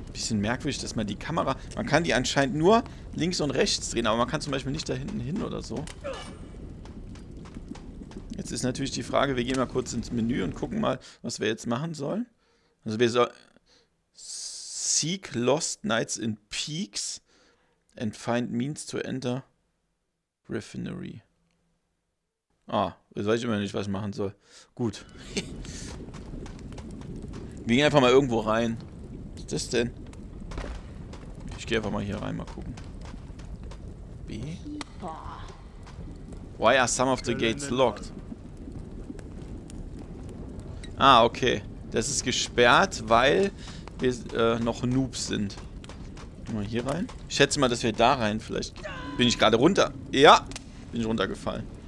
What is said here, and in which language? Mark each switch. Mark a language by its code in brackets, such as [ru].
[de] Merkwürdig, dass man die Kamera... Man kann die anscheinend nur links und rechts drehen, aber man kann zum Beispiel nicht da hinten hin oder so. Jetzt ist natürlich die Frage, wir gehen mal kurz ins Menü und gucken mal, was wir jetzt machen sollen. Also wir sollen... [en] Seek Lost Knights in Peaks and find means to enter Refinery. [de] Ah, jetzt weiß ich immer nicht, was ich machen soll. Gut. Wir gehen einfach mal irgendwo rein. Was ist das denn? Ich geh einfach mal hier rein, mal gucken. B? [en] Why are some of the gates locked? [de] Ah, okay. Das ist gesperrt, weil wir noch Noobs sind. Mal hier rein. Ich schätze mal, dass wir da rein vielleicht... Bin ich gerade runter? Ja! Bin ich runtergefallen.